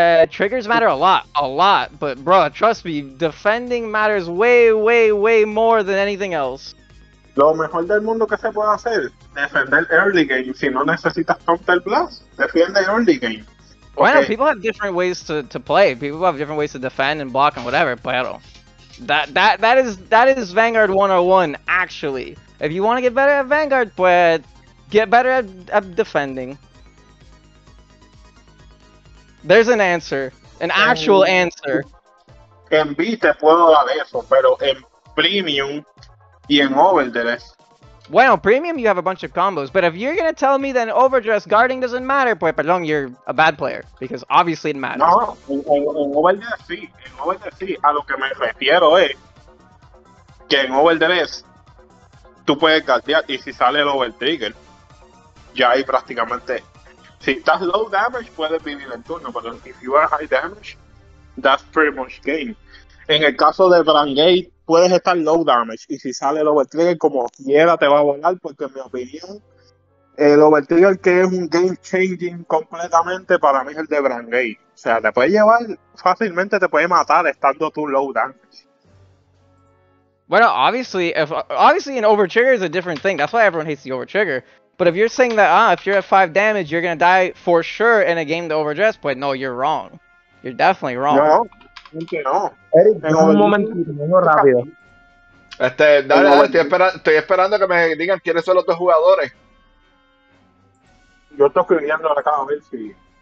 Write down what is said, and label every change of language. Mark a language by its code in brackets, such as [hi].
[en] Triggers matter a lot, but bro, trust me, defending matters way, way, way more than anything else. [es] Lo mejor del mundo que se puede hacer, defender early game. Si no necesitas counter blast, defiende early game. [en] Okay. Bueno, people have different ways to play. People have different ways to defend and block and whatever, pero that is Vanguard 101, actually. If you want to get better at Vanguard, pues get better at defending. There's an answer. An actual answer. [es] En B te puedo dar eso, pero en Premium y en Overdress. [en] Bueno, Premium you have a bunch of combos, but if you're going to tell me that Overdress guarding doesn't matter, [es] pues perdón, [en] you're a bad player, because obviously it matters. [es] No, en Overdress sí. En Overdress sí. A lo que me refiero es que en Overdress tú puedes guardear y si sale el Overtrigger, ya ahí prácticamente... Si estás low damage, puedes vivir el turno, pero [en] if you are high damage, that's pretty much game. [es] En el caso de Brandgate, puedes estar low damage, y si sale el Overtrigger, como quiera te va a volar, porque en mi opinión, el Overtrigger que es un game changing completamente, para mí es el de Brandgate. O sea, te puede llevar fácilmente, te puede matar estando tú low damage. [en] Bueno, obviously an Overtrigger is a different thing, that's why everyone hates the Overtrigger. But if you're saying that, if you're at 5 damage, you're going to die for sure in a game to overdress, but no, you're wrong. You're definitely wrong. [es] No, Eric, un momento rápido. Dale, estoy esperando que me digan quiénes son los dos jugadores. Yo estoy escribiendo acá, a ver si...